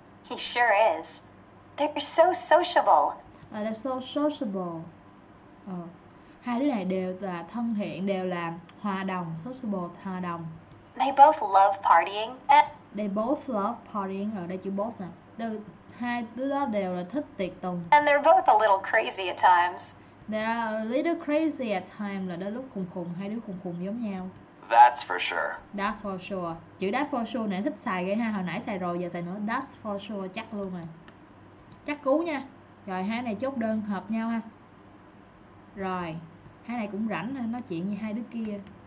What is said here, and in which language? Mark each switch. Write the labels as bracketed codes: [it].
[en] He sure is. They're so sociable. They're so sociable. [vi] Hai đứa này đều là thân thiện, đều là hòa đồng, sociable, hòa đồng. [en] They both love partying. They both love partying. [vi] Ở đây chữ both nè. hai đứa đó đều là thích tiệc tùng. [en] And they're both a little crazy at times. They are a little crazy at times, [vi] là đôi lúc khùng khùng, hai đứa khùng khùng giống nhau. [en] That's for sure. That's for sure. [vi] Chữ that's for sure này thích xài ghê ha, hồi nãy xài rồi giờ xài nữa. [en] That's for sure [vi] chắc luôn rồi. Chắc cú nha. Rồi hai này chốt đơn hợp nhau ha. Rồi, hai này cũng rảnh nói chuyện như hai đứa kia.